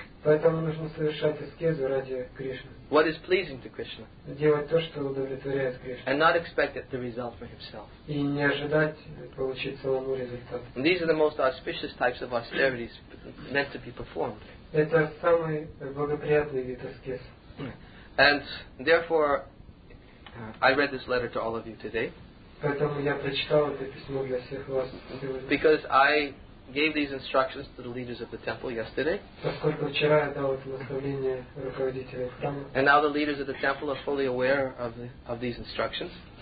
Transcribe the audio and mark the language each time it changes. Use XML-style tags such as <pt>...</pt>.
<ru>Поэтому нужно совершать аскезу ради Кришны.</ru> <en>What is pleasing to Krishna.</en> <ru>Делать то, что удовлетворяет Кришну.</ru> <en>And not expect the result for himself.</en> <ru>И не ожидать получить самому результат.</ru> <en>And these are the most auspicious types of austerities meant to be performed.</en> <ru>Это самый благоприятный вид аскез.</ru> <en>And therefore, I read this letter to all of you today.</en> <ru>Поэтому я прочитал это письмо для всех вас сегодня.</ru> <en>Because I gave these instructions to the leaders of the temple yesterday. And now the leaders of the temple are fully aware of these instructions.</en>